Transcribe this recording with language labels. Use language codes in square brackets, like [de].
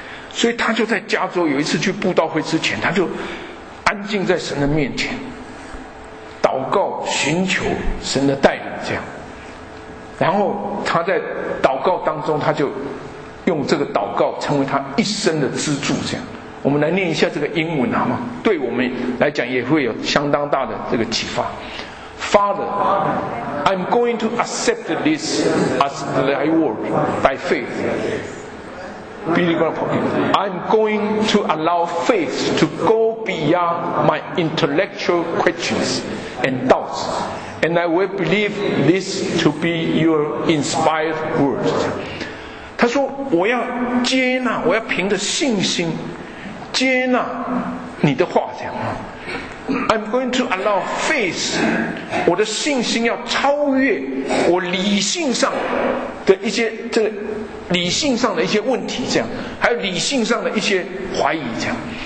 [zh] 所以他就在加州有一次去布道会之前，他就安静在神的面前祷告，寻求神的带领这样。然后他在祷告当中，他就用这个祷告成为他一生的支柱这样。我们来念一下这个英文好吗？对我们来讲也会有相当大的这个启发。 [en] Father, I'm going to accept this as thy word by faith. I'm going to allow faith to go beyond my intellectual questions and doubts And I will believe this to be your inspired word. [zh] 他说我要接纳，我要凭着信心接纳你的话，这样。 [en] I'm going to allow faith. [zh] 我的信心要超越我理性上的一些这个、理性上的一些问题，这样，还有理性上的一些怀疑，这样。